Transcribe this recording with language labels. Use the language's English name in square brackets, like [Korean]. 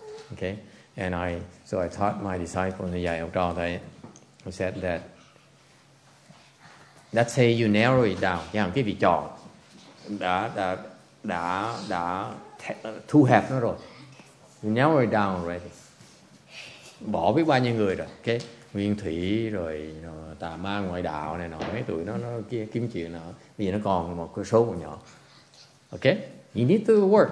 [English] Okay. And I taught my disciples, the [Vietnamese] dạy học trò thầy, [English] who said that, let's say you narrow it down. [Vietnamese] Yeah, cái vị trò đã thu hẹp nó rồi. [English] You narrow it down already. [Vietnamese] Bỏ biết bao nhiêu người rồi, okay? Nguyên Thủy rồi, tà ma ngoại đạo này nọ, mấy tụi nó kia kiếm chuyện nọ. Bây giờ nó còn một cái số còn nhỏ. Okay? [English] You need to work.